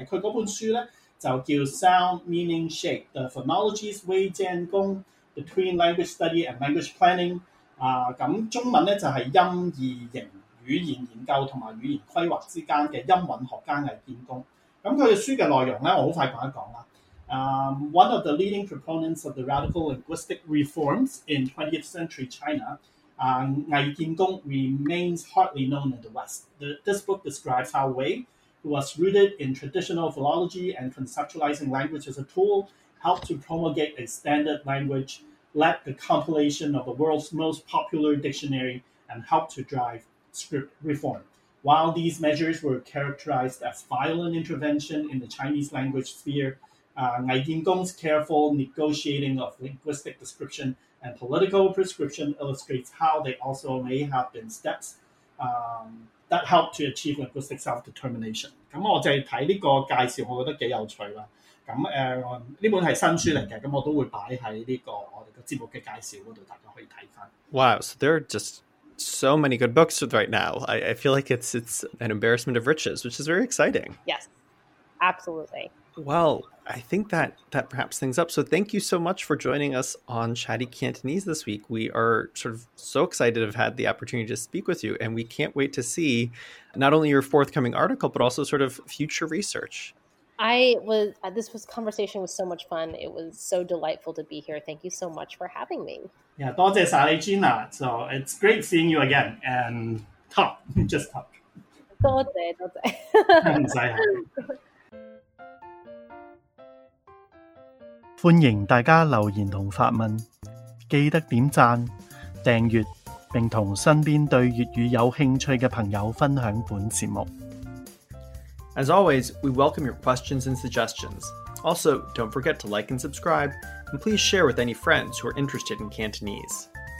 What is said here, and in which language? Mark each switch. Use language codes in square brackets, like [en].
[yue] 佢嗰本書咧就叫《Sound Meaning Shape: The Phonology's Wei Jian Gong Between Language Study and Language Planning》啊。咁中文咧就係音義形。語言研究和語言規劃之間的音韻學家魏建功。他的書的內容我很快講一講。 [en] One of the leading proponents of the radical linguistic reforms in 20th century China, 魏建功 remains hardly known in the West. This book describes how Wei, who was rooted in traditional philology and conceptualizing language as a tool, helped to promulgate a standard language, led the compilation of the world's most popular dictionary, and helped to drive script reform. While these measures were characterized as violent intervention in the Chinese language sphere, Ngai Jingong's careful negotiating of linguistic description and political prescription illustrates how they also may have been steps that helped to achieve linguistic self-determination. [yue] 咁我就睇呢個介紹，我覺得幾有趣啦。咁呢本係新書嚟嘅，咁我都會擺喺呢個我哋個節目嘅介紹嗰度，大家可以睇翻。 [en] Wow, so they're just so many good books right now. I feel like it's an embarrassment of riches, which is very exciting. Yes, absolutely. Well, I think that wraps things up. So thank you so much for joining us on Chatty Cantonese this week. We are sort of so excited to have had the opportunity to speak with you, and we can't wait to see not only your forthcoming article, but also sort of future research. This was conversation was so much fun. It was so delightful to be here. Thank you so much for having me. [yue] Yeah, 多謝曬你 Gina. [en] So it's great seeing you again and talk, just talk. [yue] 多謝。唔使客氣。歡迎大家留言同發問，記得點讚、訂閱，並同身邊對粵語有興趣嘅朋友分享本節目。 [en] As always, we welcome your questions and suggestions. Also, don't forget to like and subscribe, and please share with any friends who are interested in Cantonese.